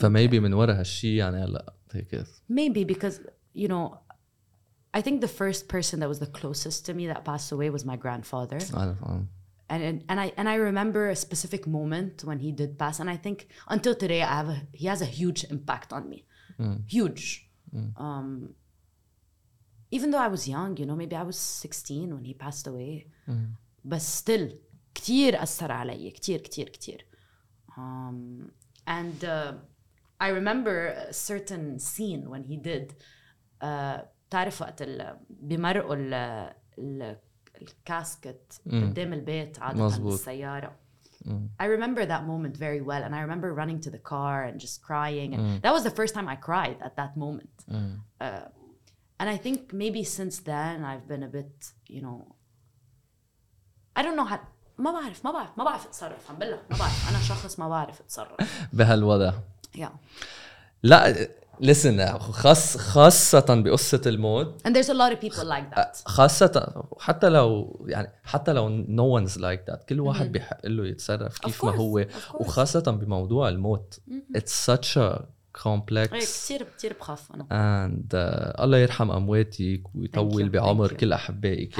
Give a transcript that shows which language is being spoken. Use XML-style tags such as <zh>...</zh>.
<ar>فمايبي من ورا هالشي يعني هلأ هيك.</ar> <en>Maybe because, you know, I think the first person that was the closest to me that passed away was my grandfather. And I remember a specific moment when he did pass. And I think until today, he has a huge impact on me. Huge. Even though I was young, you know, maybe I was 16 when he passed away. But still...</en> <ar>كتير أثر علي كتير كتير كتير</ar> <en>and I remember a certain scene when he did</en> <ar>تعرف وقت بمرقوا الكاسكت قدام البيت عادة السيارة.</ar> <en>I remember that moment very well, and I remember running to the car and just crying, and that was the first time I cried at that moment. And I think maybe since then I've been a bit, you know, I don't know how.</en> <ar>ما بعرف اتصرف عم بالله ما بعرف انا شخص ما بعرف اتصرف بهالوضع. لا</ar> <en>listen,</en> <ar>خاصة بقصة الموت.</ar> <en>And there's a lot of people like that.</en> <ar>خاصة حتى لو يعني حتى لو</ar> <en>no one's like that.</en> <ar>كل واحد بيحق له يتصرف كيف ما هو. وخاصة بموضوع الموت.</ar> <en>It's such a complex.</en> <ar>كتير بخاف أنا.</ar> <en>And</en> <ar>الله يرحم أمواتك ويطول بعمر كل أحبائك.</ar>